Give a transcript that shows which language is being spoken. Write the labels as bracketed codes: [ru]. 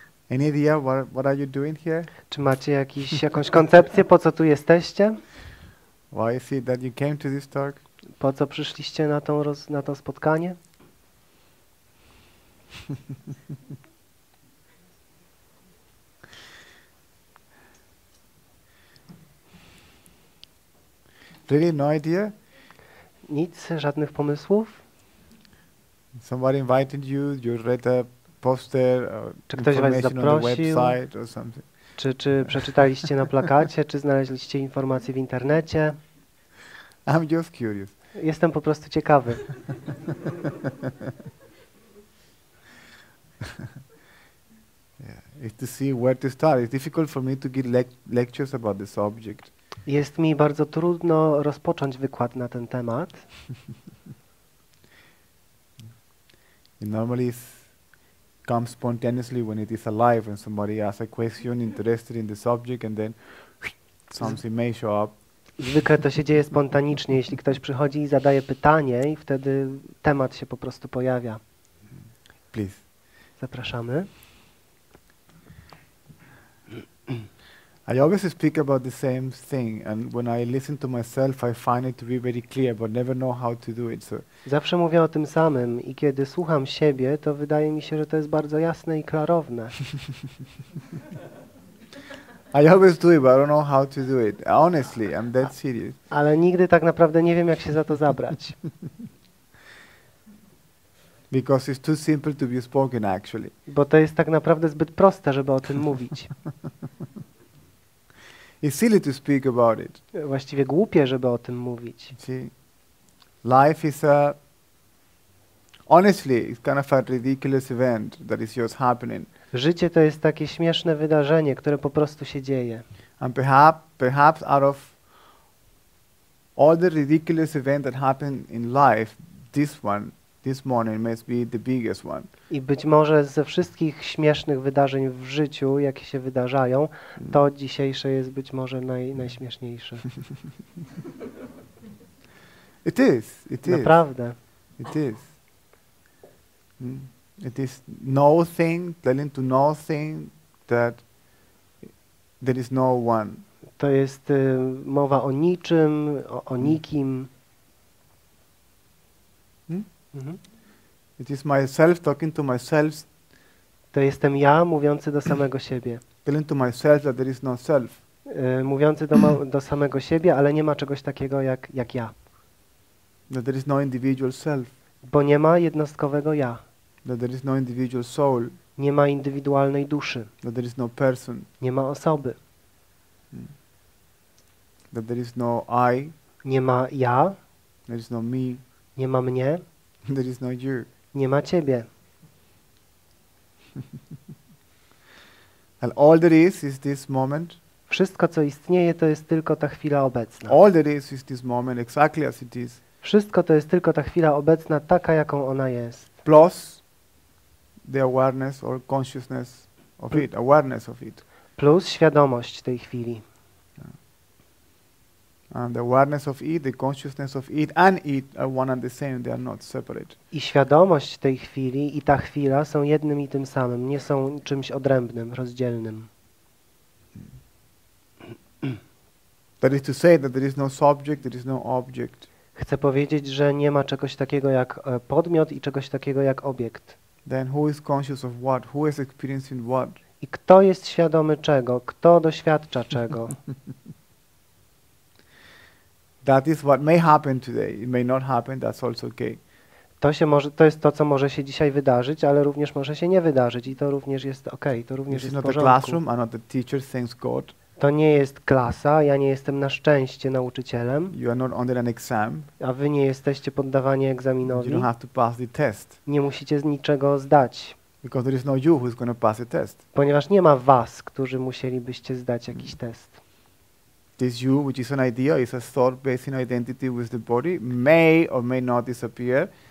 [en] Any idea what are you doing here? [pl] Czy macie jakąś koncepcję, po co tu jesteście? [en] Why is it that you came to this talk? [pl] Po co przyszliście na to spotkanie? [en] Really no idea? [pl] Nic, żadnych pomysłów? [en] Somebody invited you, you read a poster or [pl] czy ktoś was zaprosił? [en] On the website or something. [pl] Czy przeczytaliście na plakacie, czy znaleźliście informacje w internecie? [en] I'm just curious. [pl] Jestem po prostu ciekawy. [en] Yeah, it's to see where to start. It's difficult for me to give lectures about this subject. [pl] Jest mi bardzo trudno rozpocząć wykład na ten temat. [en] It normally comes spontaneously when it is alive and somebody asks a question interested in the subject and then something may show up. [pl] Zwykle to się dzieje spontanicznie, jeśli ktoś przychodzi i zadaje pytanie i wtedy temat się po prostu pojawia. [en] Please. [pl] Zapraszamy. [en] I always speak about the same thing and when I listen to myself I find it to be very clear but never know how to do it. So [pl] zawsze mówię o tym samym i kiedy słucham siebie, to wydaje mi się, że to jest bardzo jasne i klarowne. [en] I always do it, but I don't know how to do it. Honestly, I'm that serious. [pl] Ale nigdy tak naprawdę nie wiem, jak się za to zabrać. [en] Because it's too simple to be spoken, actually. [pl] Bo to jest tak naprawdę zbyt proste, żeby o tym mówić. [en] It's silly to speak about it. [pl] Właściwie głupie, żeby o tym mówić. [en] See? Life is a... Honestly, it's kind of a ridiculous event that is just happening. [pl] Życie to jest takie śmieszne wydarzenie, które po prostu się dzieje. [en] And perhaps out of all the ridiculous events that happen in life, this morning must be the biggest one. [pl] I być może ze wszystkich śmiesznych wydarzeń w życiu, jakie się wydarzają, to dzisiejsze jest być może najśmieszniejsze. [en] It is. It is. [pl] Naprawdę. [en] It is. Hmm? It is no thing, telling to no thing, that there is no one. [pl] To jest mowa o niczym, o nikim. [en] It is myself talking to myself. [pl] To jestem ja mówiący do samego siebie. [en] Telling to myself that there is no self. [pl] Mówiący do samego siebie, ale nie ma czegoś takiego jak ja. [en] That there is no individual self. [pl] Bo nie ma jednostkowego ja. [en] That there is no individual soul. [pl] Nie ma indywidualnej duszy. [en] That there is no person. [pl] Nie ma osoby. [en] That there is no I. [pl] Nie ma ja. [en] There is no me. [pl] Nie ma mnie. [en] There is no you. [pl] Nie ma ciebie. [en] And all there is this moment. [pl] Wszystko co istnieje to jest tylko ta chwila obecna. [en] All there is this moment exactly as it is. [pl] Wszystko to jest tylko ta chwila obecna taka jaką ona jest. [en] Plus the awareness or consciousness of it, awareness of it. [pl] Plus świadomość tej chwili. [en] And the awareness of it, the consciousness of it and it are one and the same, they are not separate. [pl] I świadomość tej chwili i ta chwila są jednym i tym samym, nie są czymś odrębnym, rozdzielnym. [en] That is to say that there is no subject, there is no object. [pl] Chcę powiedzieć, że nie ma czegoś takiego jak podmiot i czegoś takiego jak obiekt. [en] Then who is conscious of what? Who is experiencing what? [pl] I kto jest świadomy czego? Kto doświadcza czego? [en] That is what may happen today. It may not happen. That's also okay. [pl] To jest to, co może się dzisiaj wydarzyć, ale również może się nie wydarzyć i to również jest okej. Okay. To również [en] this [pl] jest [en] not [pl] w porządku. [en] The classroom, I'm not the teacher, thanks God. [pl] To nie jest klasa. Ja nie jestem na szczęście nauczycielem. [en] You are not under an exam. [pl] A wy nie jesteście poddawani egzaminowi. [en] You don't have to pass the test. [pl] Nie musicie z niczego zdać. [en] Because there is no you who is going to pass the test. [pl] Ponieważ nie ma was, którzy musielibyście zdać jakiś test. [en] This you, which is an idea, is a thought based in identity with the body, may or may not disappear.